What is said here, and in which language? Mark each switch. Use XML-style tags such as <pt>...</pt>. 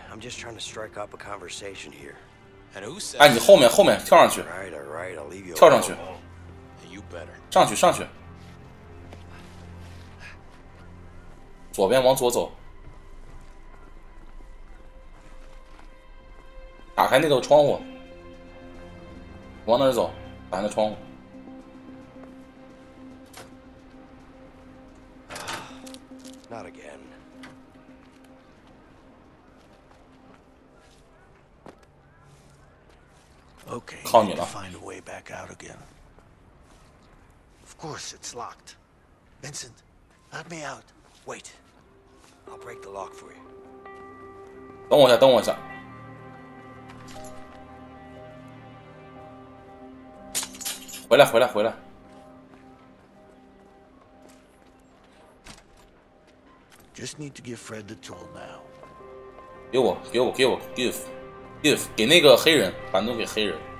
<en>I'm just trying to strike up a conversation here.</en> <zh>哎，你后面跳上去，跳上去，上去上去，左边往左走，打开那个窗户，往那儿走，打开那窗户。</zh> <en>Not again. Okay, I need to find a way back out again. Of course, it's locked. Vincent, let me out. Wait, I'll break the lock for you.</en> <zh>等我一下，等我一下。回来，回来，回来。</zh> <en>Just need to give Fred the tool now.</en> <zh>给我，给我，给我 ，give， 给那个黑人，把那给黑人。</zh>